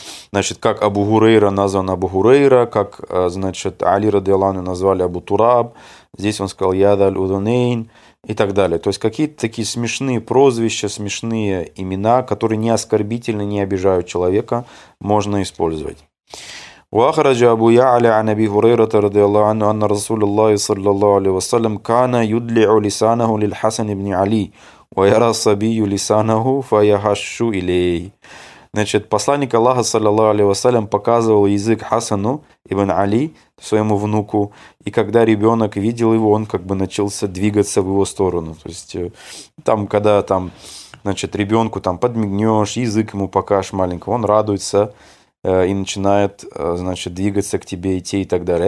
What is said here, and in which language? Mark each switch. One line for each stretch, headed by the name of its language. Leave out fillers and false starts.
Russian: Значит, как Абу Гурейра назван Абу Гурейра, как, значит, Али радиаллаху назвали Абу Тураб, здесь он сказал я
Arabic: ذا الأذنين
Russian: и так далее. То есть какие-то такие смешные прозвища, смешные имена, которые не оскорбительны, не обижают человека, можно использовать.
Arabic: وخرج أبو يعلى عن أبي هريرة رضي الله عنه أن رسول الله صلى الله عليه وسلم كان يدلع لسانه للحسن بن علي ويرى صبي لسانه فيهش إليه.
Russian: Значит, посланник Аллаха, саллаллаху алейхи вассалям, показывал язык Хасану ибн Али, своему внуку, и когда ребенок видел его, он как бы начался двигаться в его сторону. То есть, там, когда там, значит, ребенку там подмигнешь, язык ему покажешь маленького, он радуется и начинает, значит, двигаться к тебе, идти и так далее.